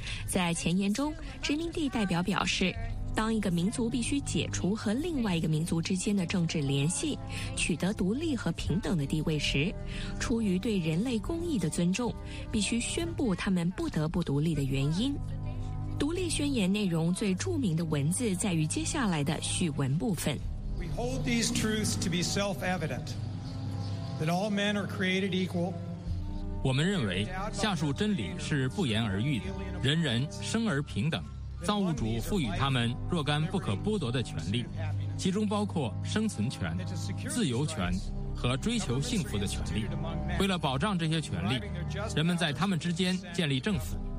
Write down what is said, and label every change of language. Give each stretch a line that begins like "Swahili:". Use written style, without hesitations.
Chinese: 在前言中，殖民地代表表示，当一个民族必须解除和另外一个民族之间的政治联系，取得独立和平等的地位时，出于对人类公义的尊重，必须宣布他们不得不独立的原因。独立宣言内容最著名的文字在于接下来的序文部分。
English: We hold these truths to be self-evident, that all men are created equal.
Chinese: 我们认为下述真理是不言而喻的，人人生而平等，造物主赋予他们若干不可剥夺的权利，其中包括生存权、自由权和追求幸福的权利。为了保障这些权利，人们在他们之间建立政府。